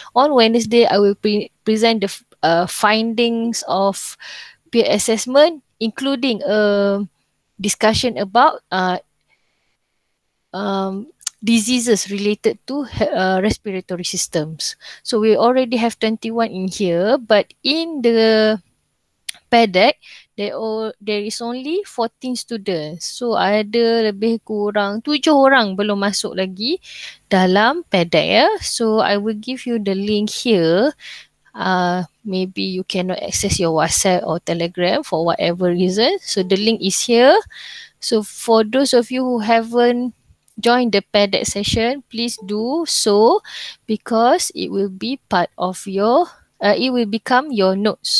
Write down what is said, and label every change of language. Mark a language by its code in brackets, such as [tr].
[en] On Wednesday, I will present the findings of peer assessment, including a discussion about diseases related to respiratory systems. So we already have 21 in here, but in the PEDEC, there is only 14 students. [ms] So ada lebih kurang 7 orang belum masuk lagi dalam PEDEC. Ya. [en] So I will give you the link here. Maybe you cannot access your WhatsApp or Telegram for whatever reason. So the link is here. So for those of you who haven't joined the PEDEC session, please do so because it will be part of your, it will become your notes.